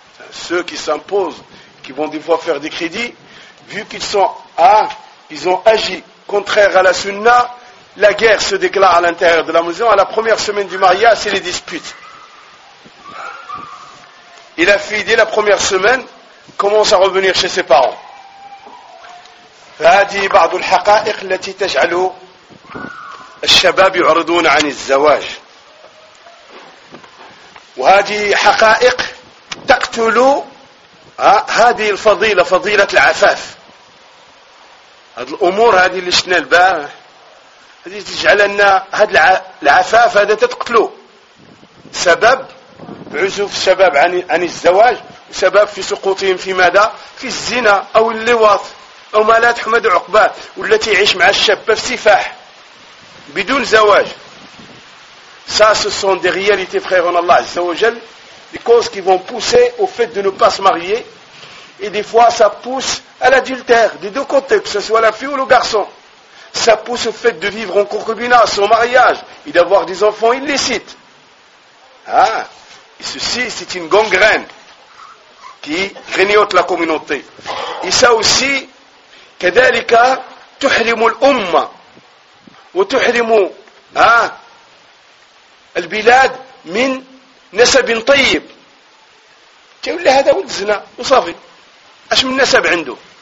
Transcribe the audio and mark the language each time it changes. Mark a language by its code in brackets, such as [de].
[fr] Ceux qui s'imposent, qui vont des fois faire des crédits, vu qu'ils sont ils ont agi contraire à la sunna, la guerre se déclare à l'intérieur de la maison. À la première semaine du mariage, c'est les disputes. Et la fille, dès la première semaine, commence à revenir chez ses parents. [ar] فهذه بعض الحقائق التي تجعل الشباب يعرضون عن الزواج. وهذه حقائق تقتل هذه الفضيلة، فضيلة العفاف. هذه الأمور هذه اللي شنا البارح هذه تجعل أن هذا العفاف هذا تقتله. سبب عزوف الشباب عن الزواج، وسبب في سقوطهم في ماذا؟ في الزنا أو اللواط أو ما لا تحمد عقباه، والتي يعيش مع الشاب في سفاح بدون زواج. [fr] Ça ce sont des réalités frères en Allah عز وجل. Des causes qui vont pousser au fait de ne pas se marier. Et des fois, ça pousse à l'adultère, des deux côtés, que ce soit la fille ou le garçon. Ça pousse au fait de vivre en concubinat, sans mariage, et d'avoir des enfants illicites. Et ceci, c'est une gangrène qui grignote la communauté. Et ça aussi, [ar] كذلك تحرم الأمة وتحرم البلاد من نسب طيب. تقول لي هذا ولد زنا وصافي، اش من نسب عنده؟